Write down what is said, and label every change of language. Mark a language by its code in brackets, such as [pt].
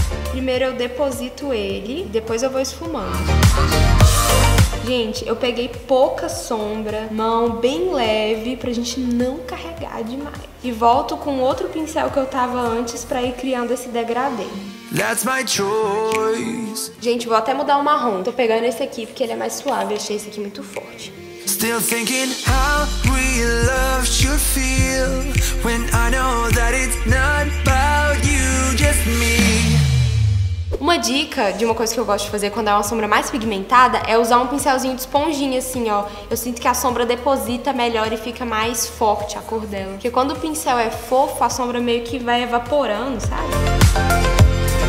[pt] Primeiro eu deposito ele, depois eu vou esfumando. Gente, eu peguei pouca sombra, mão bem leve, pra gente não carregar demais. E volto com outro pincel que eu tava antes pra ir criando esse degradê. [en] That's my choice. [pt] Gente, vou até mudar o marrom. Tô pegando esse aqui porque ele é mais suave, achei esse aqui muito forte. [en] Still thinking how we love should feel when I know that it's not about you, just me. [pt] Uma dica de uma coisa que eu gosto de fazer quando é uma sombra mais pigmentada é usar um pincelzinho de esponjinha, assim, ó. Eu sinto que a sombra deposita melhor e fica mais forte a cor dela. Porque quando o pincel é fofo, a sombra meio que vai evaporando, sabe?